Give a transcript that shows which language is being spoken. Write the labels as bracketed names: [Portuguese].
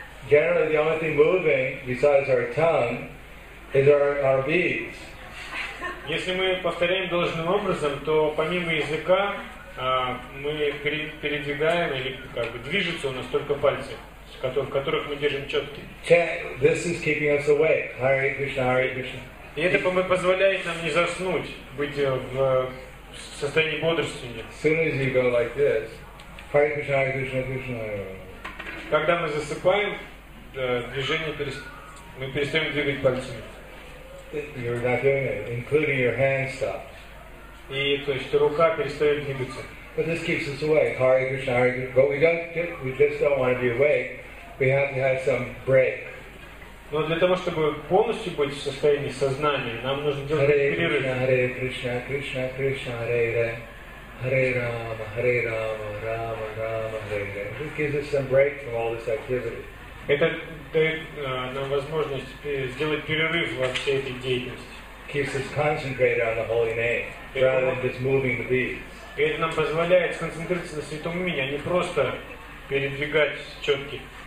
[English] Generally, the only thing moving, besides our tongue, is our beads. [Russian] Если мы повторяем должным образом, то помимо языка, мы передвигаем или движутся у нас только пальцы, в которых мы держим четки. [English] This is keeping us awake. Hare Krishna, Hare Krishna. [Russian] И это позволяет нам не заснуть, быть в состоянии бодрствования. [English] As soon as you go like this, Hare Krishna, Hare Krishna, Krishna. [Russian] Когда мы засыпаем, движение мы перестаем двигать пальцами. [English] you're not doing it, including your hand stops. [Russian] И то есть рука перестает двигаться. [English] But this keeps us awake. Hare Krishna, Hare Krishna. But we just don't want to be awake. We have to have some break. [Russian] Но для того, чтобы полностью быть в состоянии сознания, нам нужно делать перерыв. [Sanskrit] Hare Krishna, Krishna, Krishna, Hare Hare Rama, Hare Rama, Rama, Rama, Hare. [English] This gives us some break from all this activity. [Russian] Это дает нам возможность сделать перерыв во всей этой деятельности. [English] Keeps us concentrated on the holy name, rather than just moving the beads. [Russian] И это нам позволяет сконцентрироваться на святом имени, а не просто перебирать четки.